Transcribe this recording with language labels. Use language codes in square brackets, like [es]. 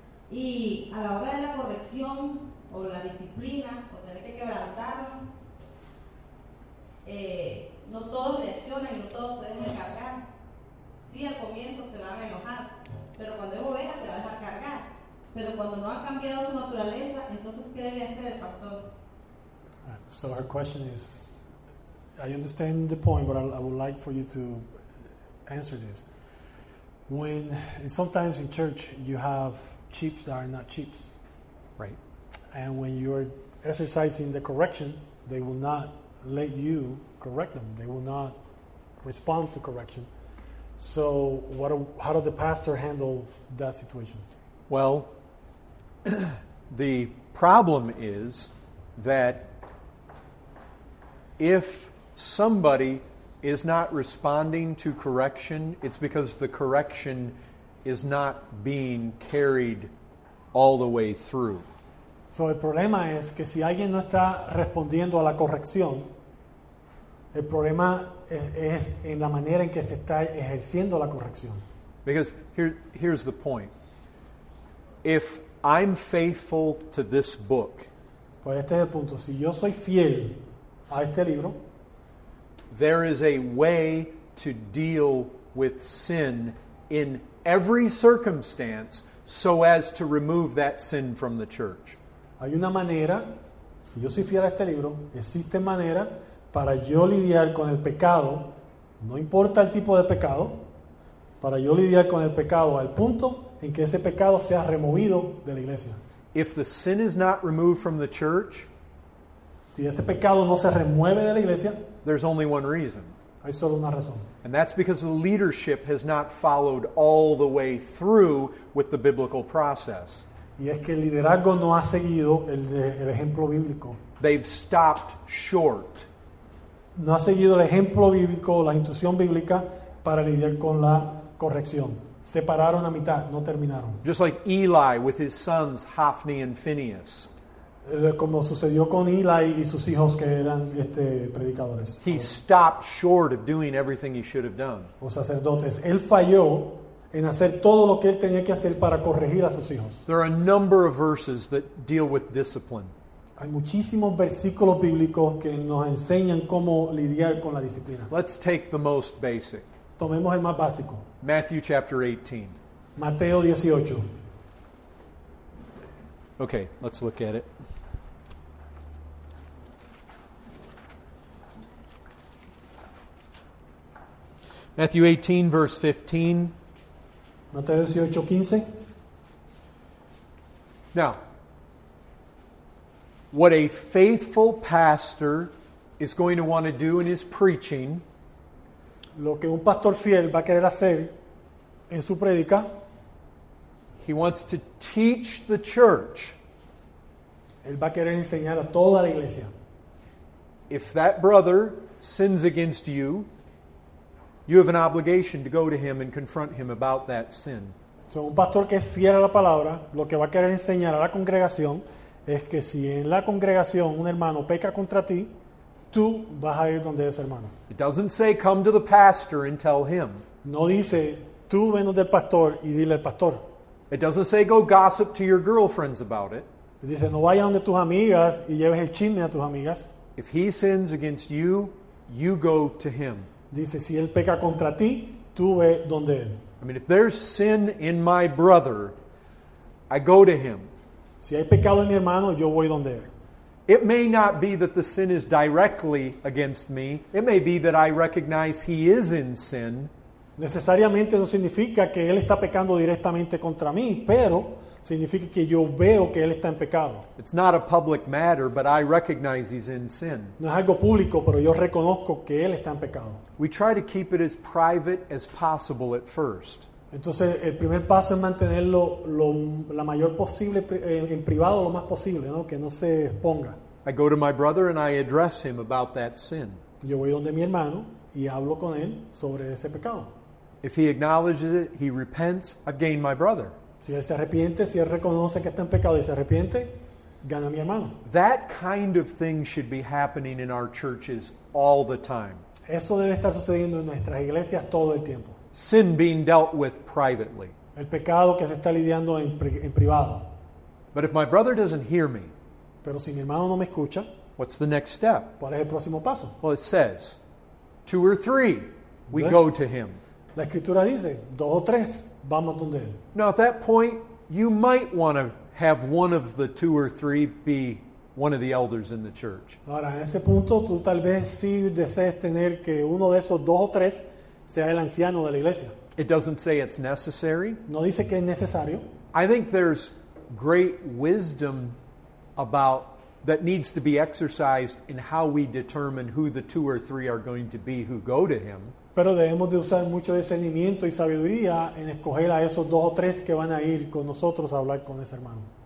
[es] Y a la hora de la corrección o la disciplina, o tener que quebrantarlo, No todos reaccionan, no todos se dejan cargar. Sí, al comienzo se van a enojar, pero cuando es oveja se va a dejar cargar. Pero cuando no ha cambiado su naturaleza, entonces ¿qué debe hacer el pastor? [en] So our question is, I understand the point, but I would like for you to answer this. When, and sometimes in church, you have sheep that are not sheep. Right. And when you're exercising the correction, they will not let you correct them. They will not respond to correction. So how does the pastor handle that situation? Well, the problem is that if somebody is not responding to correction, it's because the correction is not being carried all the way through. [es] So el problema es que si alguien no está respondiendo a la corrección, el problema es en la manera en que se está ejerciendo la corrección. [en] Because here's the point. If I'm faithful to this book, [es] pues este es el punto. Si yo soy fiel a este libro, [en] there is a way to deal with sin in every circumstance so as to remove that sin from the church. [es] Hay una manera, si yo soy fiel a este libro, existe manera para yo lidiar con el pecado, no importa el tipo de pecado, para yo lidiar con el pecado al punto en que ese pecado sea removido de la iglesia. [en] If the sin is not removed from the church, [es] si ese pecado no se remueve de la iglesia, [en] there's only one reason. [es] Hay solo una razón. [en] And that's because the leadership has not followed all the way through with the biblical process. [es] Y es que el liderazgo no ha seguido el ejemplo bíblico. [en] They've stopped short. [es] No ha seguido el ejemplo bíblico, la instrucción bíblica para lidiar con la corrección. Se pararon a mitad, no terminaron. [en] Just like Eli with his sons Hophni and Phinehas. [es] Como sucedió con Eli y sus hijos que eran predicadores. [en] He stopped short of doing everything he should have done. [es] Los sacerdotes, él falló en hacer todo lo que él tenía que hacer para corregir a sus hijos. [en] There are a number of verses that deal with discipline. [es] Hay muchísimos versículos bíblicos que nos enseñan cómo lidiar con la disciplina. [en] Let's take the most basic. [es] Tomemos el más básico. [en] Matthew chapter 18. [es] Mateo 18. [en] Okay, let's look at it. Matthew 18, verse 15. [es] Mateo 18, 15. [en] Now, what a faithful pastor is going to want to do in his preaching, [es] lo que un pastor fiel va a querer hacer en su predica, [en] he wants to teach the church. [es] Él va a querer enseñar a toda la iglesia. [en] If that brother sins against you, you have an obligation to go to him and confront him about that sin. [es] So, un pastor que es fiel a la palabra, lo que va a querer enseñar a la congregación es que si en la congregación un hermano peca contra ti, tú vas a ir donde ese hermano. [en] It doesn't say come to the pastor and tell him. [es] No dice tú ven donde el pastor y dile al pastor. [en] It doesn't say go gossip to your girlfriends about it. [es] Dice no vayas donde tus amigas y lleves el chisme a tus amigas. [en] If he sins against you, you go to him. [es] Dice si él peca contra ti, tú ve donde él. [en] I mean, if there's sin in my brother, I go to him. [es] Si hay pecado en mi hermano, yo voy donde él. [en] It may not be that the sin is directly against me. It may be that I recognize he is in sin. [es] Necesariamente no significa que él está pecando directamente contra mí, pero significa que yo veo que él está en pecado. [en] It's not a public matter, but I recognize he's in sin. [es] No es algo público, pero yo reconozco que él está en pecado. [en] We try to keep it as private as possible at first. [es] Entonces, el primer paso es mantenerlo la mayor posible en privado, lo más posible, ¿no? Que no se exponga. [en] I go to my brother and I address him about that sin. [es] Yo voy donde mi hermano y hablo con él sobre ese pecado. [en] If he acknowledges it, he repents, I've gained my brother. [es] Si él se arrepiente, si él reconoce que está en pecado y se arrepiente, gana a mi hermano. [en] That kind of thing should be happening in our churches all the time. [es] Eso debe estar sucediendo en nuestras iglesias todo el tiempo. [en] Sin being dealt with privately. [es] El pecado que se está lidiando en privado. [en] But if my brother doesn't hear me, [es] pero si mi hermano no me escucha, [en] what's the next step? [es] ¿Cuál es el próximo paso? [en] Well, it says, two or three, we go to him. [es] La escritura dice, dos o tres, vamos donde él. [en] Now at that point, you might want to have one of the two or three be one of the elders in the church. [es] Ahora, en ese punto, tú tal vez sí desees tener que uno de esos dos o tres sea el anciano de la iglesia. [en] It doesn't say it's necessary. [es] No dice que es necesario. [en] I think there's great wisdom about that needs to be exercised in how we determine who the two or three are going to be who go to him. [es] Pero debemos de usar mucho discernimiento y sabiduría en escoger a esos dos o tres que van a ir con nosotros a hablar con ese hermano.